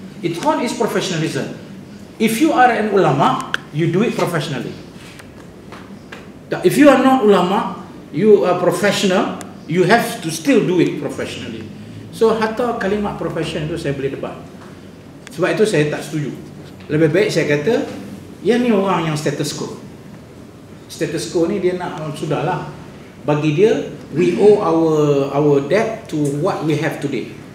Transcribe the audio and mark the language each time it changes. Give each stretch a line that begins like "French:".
English: Itqan is professionalism. If you are an ulama, you do it professionally. If you are not ulama, you are professional, you have to still do it professionally.
Malay: So hatta kalimat profession itu saya boleh debat. Sebab itu saya tak setuju. Lebih baik saya kata yang ni orang yang status quo. Status quo ni dia nak sudahlah. Bagi dia
English: we owe our debt to what we have today.